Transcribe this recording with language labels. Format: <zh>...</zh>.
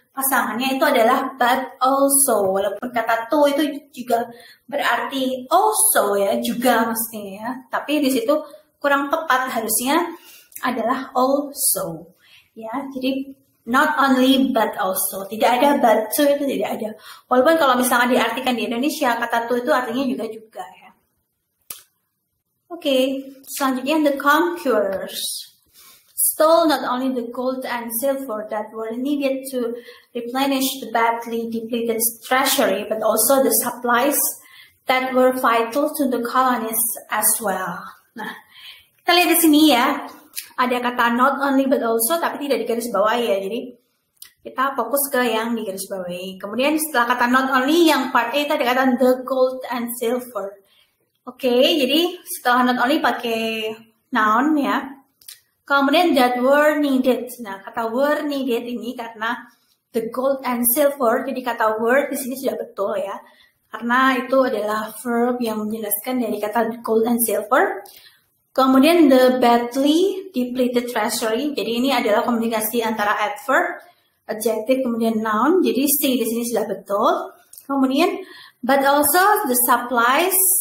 <id>pasangannya itu adalah but also, walaupun kata to itu juga berarti also ya, juga mestinya ya, tapi di situ kurang tepat, harusnya adalah also ya. Jadi not only but also, tidak ada but to, itu tidak ada, walaupun kalau misalnya diartikan di Indonesia kata to itu artinya juga ya. Oke, selanjutnya</id> <en>the conquerors stole not only the gold and silver that were needed to replenish the badly depleted treasury, but also the supplies that were vital to the colonists as well.</en> <id>Nah, kita lihat di sini ya, ada kata not only but also, tapi tidak di garis bawah ya. Jadi kita fokus ke yang di garis bawah. Kemudian setelah kata not only, yang part A tadi kata the gold and silver. Oke, jadi setelah not only pakai noun ya. Kemudian that were needed. Nah, kata were needed ini karena the gold and silver, jadi kata were di sini sudah betul ya. Karena itu adalah verb yang menjelaskan dari kata gold and silver. Kemudian the badly depleted treasury. Jadi ini adalah komunikasi antara adverb, adjective, kemudian noun. Jadi si di sini sudah betul. Kemudian but also the supplies.</id>